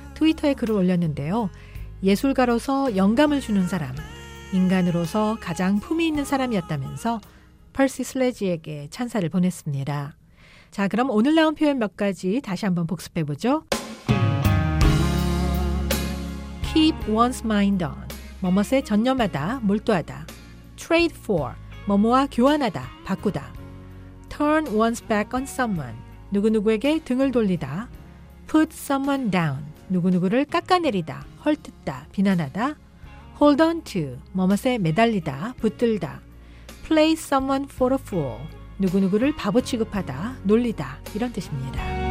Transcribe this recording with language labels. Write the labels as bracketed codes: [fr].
[ko] 트위터에 글을 올렸는데요. 예술가로서 영감을 주는 사람, 인간으로서 가장 품위 있는 사람이었다면서 펄시 슬레지에게 찬사를 보냈습니다. 자, 그럼 오늘 나온 표현 몇 가지 다시 한번 복습해보죠. [en] Keep one's mind on, [ko] 뭐뭐에 전념하다, 몰두하다. [en] Trade for, [ko] 뭐뭐와 교환하다, 바꾸다. [en] Turn one's back on someone, [ko] 누구누구에게 등을 돌리다. [en] Put someone down, [ko] 누구누구를 깎아내리다, 헐뜯다, 비난하다. [en] Hold on to, [ko] 뭐뭐에 매달리다, 붙들다. [en] Play someone for a fool, [ko] 누구누구를 바보 취급하다, 놀리다, 이런 뜻입니다.